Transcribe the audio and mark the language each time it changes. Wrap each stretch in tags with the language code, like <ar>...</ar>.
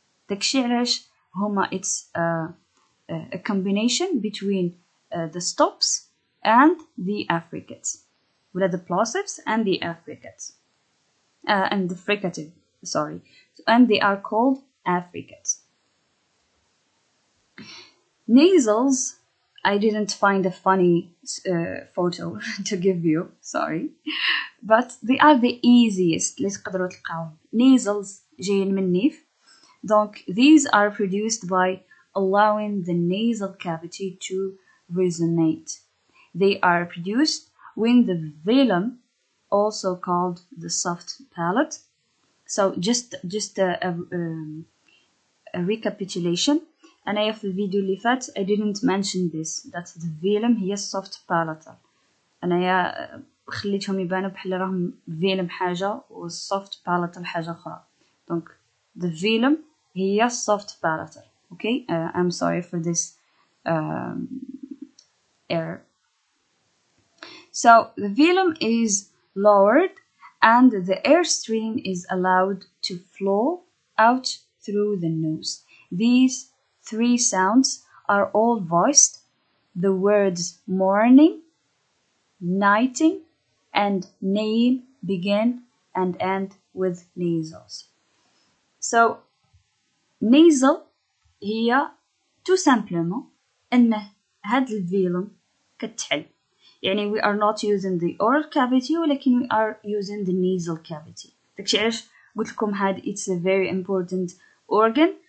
<ar>داكشي علاش هما</ar> <en>it's a combination between the stops and the affricates ولا the plosives and the affricates and the fricative sorry and they are called affricates. Nasals, I didn't find a funny photo to give you, sorry. But they are the easiest.</en> <ar>Nasals, جايين من نيف.</ar> <en>Donc, these are produced by allowing the nasal cavity to resonate. They are produced when the velum, also called the soft palate. So, just a recapitulation. And I have a video left. I didn't mention this. That the velum is a soft palatal. And I have to explain that the velum is a soft palatal. So the velum is a soft palatal. Okay. I'm sorry for this error. So the velum is lowered, and the airstream is allowed to flow out through the nose. These three sounds are all voiced. The words morning, nighting, and name begin and end with nasals.</en> <ar>So, nasal, هي</ar> <fr>tout simplement</fr> <ar>إن هاد الفيلم كتحل.</ar> <en>يعني we are not using the oral cavity, ولكن we are using the nasal cavity.</en> <ar>داكشي علاش قلت لكم هاد</ar> <en>it's a very important organ.</en>